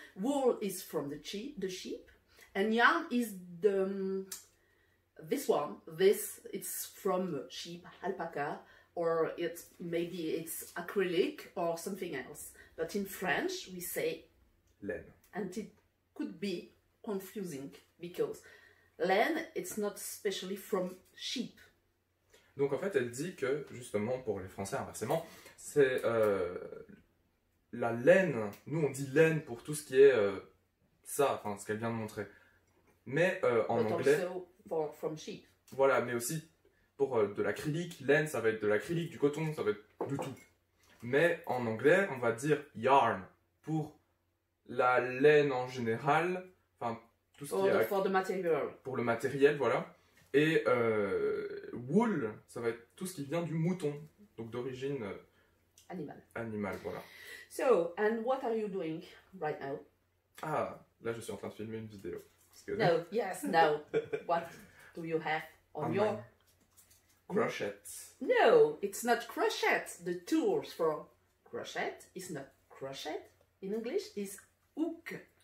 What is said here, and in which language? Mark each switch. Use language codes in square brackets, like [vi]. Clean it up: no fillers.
[en] Wool is from the sheep, and yarn is the this it's from sheep, alpaca, or it's maybe it's acrylic or something else. But in French we say [fr] laine, [en] and it could be confusing because laine, it's not specially from sheep. [fr] Donc en fait, elle dit que justement pour les Français inversement, c'est la laine. Nous on dit laine pour tout ce qui est ça, enfin ce qu'elle vient de montrer. Mais en [en] but [fr] anglais, [en] also for, from sheep. [fr] Voilà, mais aussi pour de l'acrylique, laine, ça va être de l'acrylique, du coton, ça va être du tout. Mais en anglais, on va dire yarn pour la laine en général. Enfin, tout ce qui est [en] for the material. [fr] Pour le matériel, voilà. Et wool, ça va être tout ce qui vient du mouton, donc d'origine animale, voilà. [en] So, and what are you doing right now? [fr] Ah, là je suis en train de filmer une vidéo. [en] No, yes, no. What do you have on your crochet? No, it's not crochet. The tools for crochet is not crochet. In English, is hook.